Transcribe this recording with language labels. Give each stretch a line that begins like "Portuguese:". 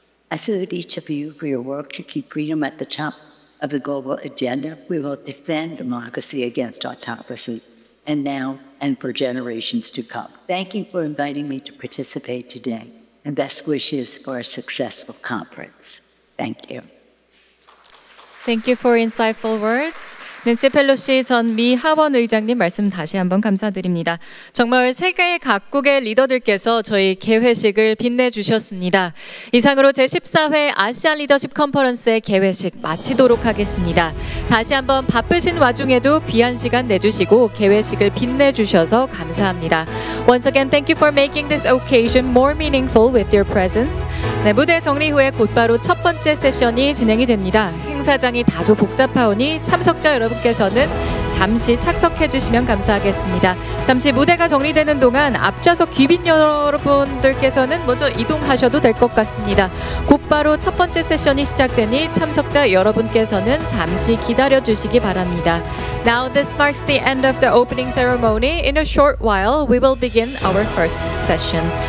English: I salute each of you for your work to keep freedom at the top of the global agenda. We will defend democracy against autocracy, and now and for generations to come. Thank you for inviting me to participate today, and best wishes for a successful conference. Thank you. Thank you for insightful words.
Korean: 낸시 펠로시 전 미 하원 의장님 말씀 다시 한번 감사드립니다. 정말 세계 각국의 리더들께서 저희 개회식을 빛내주셨습니다. 이상으로 제14회 아시아 리더십 컨퍼런스의 개회식 마치도록 하겠습니다. 다시 한번 바쁘신 와중에도 귀한 시간 내주시고 개회식을 빛내주셔서 감사합니다.
English: Once again, thank you for making this occasion more meaningful with your presence.
Korean: 네, 무대 정리 후에 곧바로 첫 번째 세션이 진행이 됩니다. 행사장이 다소 복잡하오니 참석자 여러분께서는 잠시 착석해 주시면 감사하겠습니다. 잠시 무대가 정리되는 동안 앞좌석 귀빈 여러분들께서는 먼저 이동하셔도 될 것 같습니다. 곧바로 첫 번째 세션이 시작되니 참석자 여러분께서는 잠시 기다려 주시기 바랍니다.
English: Now this marks the end of the opening ceremony. In a short while, we will begin our first session.